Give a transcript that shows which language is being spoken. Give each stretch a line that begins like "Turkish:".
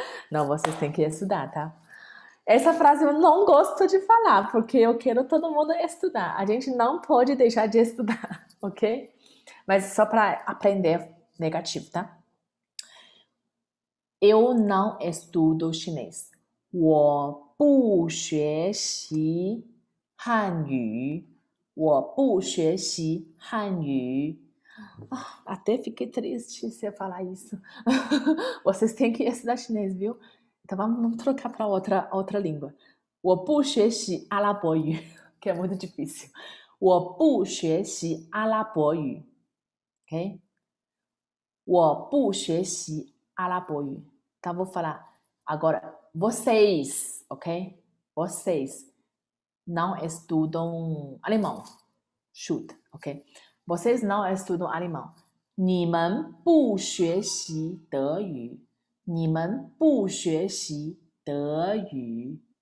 Portuguese: Não, vocês têm que estudar, tá? Essa frase eu não gosto de falar, porque eu quero todo mundo estudar. A gente não pode deixar de estudar, ok? Mas só para aprender negativo, tá? Eu não estudo chinês.
Chinese: 我不学习汉语，我不学习汉语。
Portuguese: 啊，até fiquei triste se eu falar isso. Vocês têm que estudar chinês, viu? Então vamos trocar para outra língua.
Chinese: 我不学习阿拉伯语，
Portuguese: que é muito difícil.
Chinese: 我不学习阿拉伯语，OK？我不学习阿拉伯语。
Portuguese: Então vou falar agora vocês, OK？ Vocês não estudam alemão. Chuta, ok? Vocês não estudam alemão.
Chinese: 你们不学习德语.你们不学习德语.